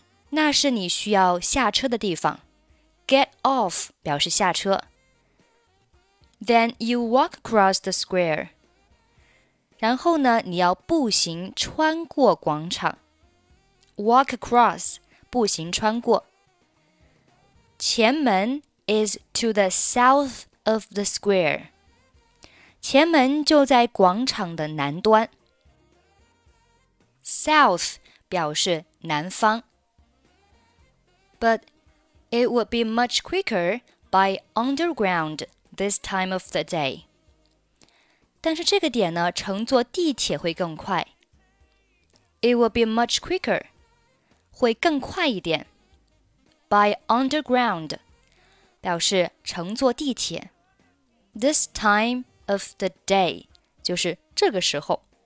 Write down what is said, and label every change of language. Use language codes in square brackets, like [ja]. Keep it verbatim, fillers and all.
[zh] 那是你需要下车的地方。 [en] Get off [zh] 表示下车。 [en] Then you walk across the square. [zh] 然后呢，你要步行穿过广场。 [en] Walk across, [zh] 步行穿过。 [en] 前门 is to the south of the square. [zh] 前门就在广场的南端。South 表示南方。 [en] But it would be much quicker by underground this time of the day. [zh] 但是这个点呢，乘坐地铁会更快。 [en] It would be much quicker. [zh] 会更快一点。 [en] By underground [zh] 表示乘坐地铁。 [en] This time of the day [zh] 就是这个时候。